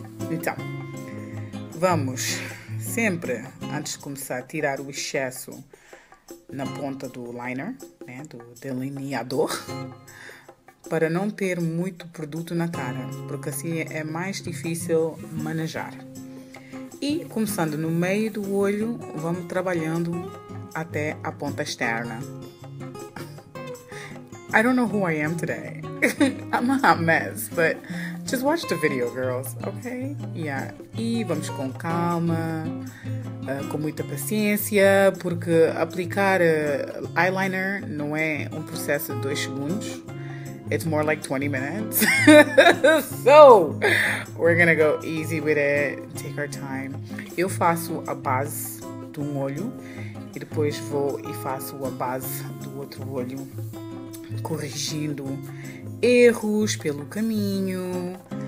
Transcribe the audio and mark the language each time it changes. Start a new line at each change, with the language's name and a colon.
Portuguese: Então, vamos sempre, antes de começar, tirar o excesso na ponta do liner, né, do delineador, para não ter muito produto na cara, porque assim é mais difícil manejar. E começando no meio do olho, vamos trabalhando até a ponta externa.
English: I don't know who I am today. I'm a hot mess, but just watch the video, girls, okay? Yeah.
Portuguese: E vamos com calma, com muita paciência, porque aplicar eyeliner não é um processo de 2 segundos.
English: It's more like 20 minutes. So, we're gonna go easy with it. Take our time.
Portuguese: Eu faço a base de um olho e depois vou e faço a base do outro olho, corrigindo erros pelo caminho.